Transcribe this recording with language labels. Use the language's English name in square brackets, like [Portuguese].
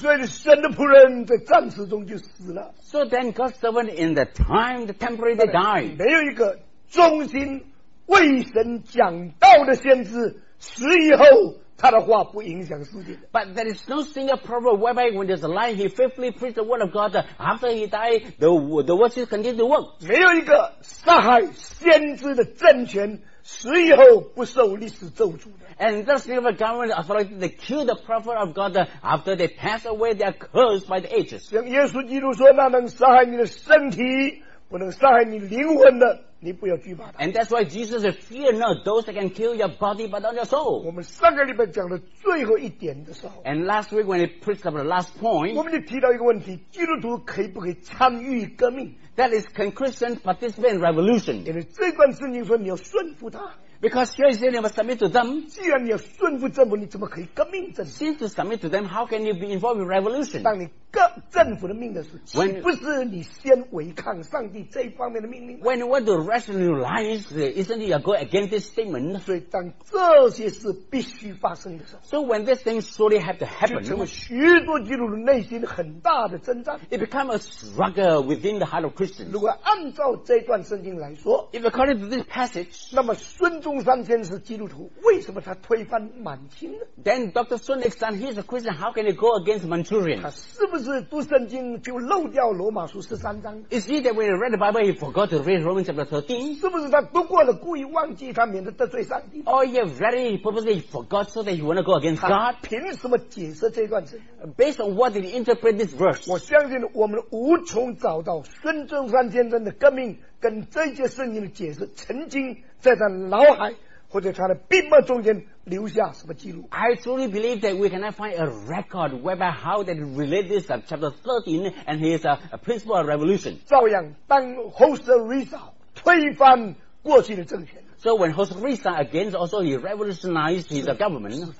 [Chinese] 所以神的仆人在暂时中就死了 [English] So then God's servant in the time, the temporary, they died [Chinese] 没有一个忠心为神讲道的先知死以后他的话不影响世界 [English] But there is no single proverb whereby when there's a lie he faithfully preached the word of God after he died the word is continued to work [Chinese] 没有一个杀害先知的政权死以后不受历史咒诅的 [English] And thus never government authority they kill the prophet of God after they pass away they are cursed by the ages [Chinese] 像耶稣基督说那能杀害你的身体不能伤害你灵魂的，你不要惧怕他。 [English] And that's why Jesus says, fear not those that can kill your body but not your soul. [Chinese] 我们上个礼拜讲的最后一点的时候 [English] ，And last week when he preached about the last point, [Chinese] 我们就提到一个问题：基督徒可以不可以参与革命 [English] ？That is, can Christians participate in revolution? [Chinese] 因为这段圣经说你要顺服他。 [English] Because here he said, you must submit to them. [Chinese] 既然你要顺服政府，你怎么可以革命政府 [English] ？Since you submit to them, how can you be involved in revolution? [Chinese] 当你革政府的命的时候，岂不是你先违抗上帝这一方面的命令 [English] ？When you want to rationalize, isn't it you go against this statement? [Chinese] 所以当这些事必须发生的时候 [English] ，So when this thing surely have to happen, [Chinese] 就成为许多基督徒内心很大的挣扎。 [English] It become a struggle within the heart of Christians. [Chinese] 如果按照这段圣经来说 [English] ，If according to this passage, [Chinese] 那么孙中山先生是基督徒，为什么他推翻满清呢 [English] ？Then Dr. Sun Yat-sen, he's a Christian. How can he go against Manchurian? [Chinese] 他是不是读圣经就漏掉罗马书十三章 [English] ？Is he that when he read the Bible, he forgot to read Romans chapter 13? [Chinese] 是不是他读过了故意忘记，他免得得罪上帝 [English] ？Oh, yeah, very purposely forgot so that he wanna go against God. [Chinese] 凭什么解释这段词 [English] ？Based on what did he interpret this verse? [Chinese] 我相信我们无从找到孙中山先生的革命。跟这些圣经的解释曾经在他脑海或者他的笔墨中间留下什么记录 [English] I truly believe that we cannot find a record whereby how that relate this chapter 13 and his principle of revolution [Chinese] 照样当 Jose Rizal 推翻过去的政权 [English] So when Jose Rizal against also he revolutionized his government